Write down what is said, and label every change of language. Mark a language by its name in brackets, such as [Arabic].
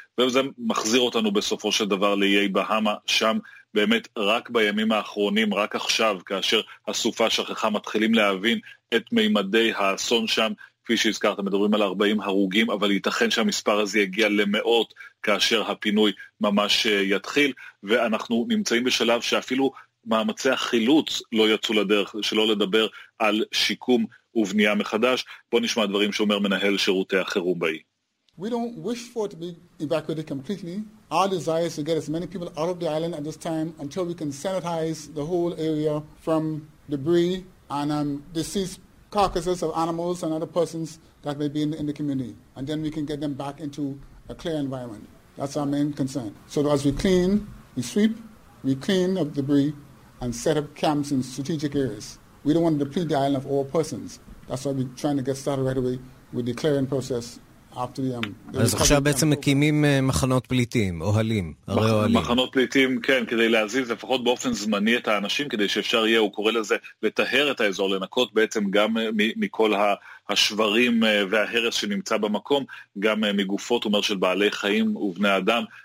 [Hebrew] וזה מחזיר אותנו בסופו של דבר לאיי בהאמה, שם באמת רק בימים האחרונים, רק עכשיו, כאשר הסופה שכחה, מתחילים להבין את מימדי האסון שם, כפי שהזכרת, מדברים על 40 הרוגים, אבל ייתכן שהמספר הזה יגיע למאות כאשר הפינוי ממש יתחיל, ואנחנו נמצאים בשלב שאפילו מאמצי החילוץ לא יצאו לדרך, שלא לדבר על שיקום ובנייה מחדש. בוא נשמע דברים שאומר מנהל שירותי החירום באי. [English] We don't wish for it to be evacuated completely. Our desire is to get as many people out of the island at this time until we can sanitize the whole area from debris and deceased carcasses of animals and other persons that may be in the community. And then we can get them back into a clear environment. That's our main concern. So as we clean, we sweep, we clean up debris and set up camps in strategic areas. We don't want to deplete the island of all persons. That's why we're trying to get started right away with the clearing process. [Hebrew] אז עכשיו בעצם מקימים מחנות פליטים, אוהלים, הרי אוהלים. מחנות פליטים, כן, כדי להזיז לפחות באופן זמני את האנשים, כדי שאפשר יהיה, הוא קורא לזה, לטהר את האזור, לנקות בעצם גם מכל השברים וההרס שנמצא במקום, גם מגופות, אומר, של בעלי חיים ובני אדם.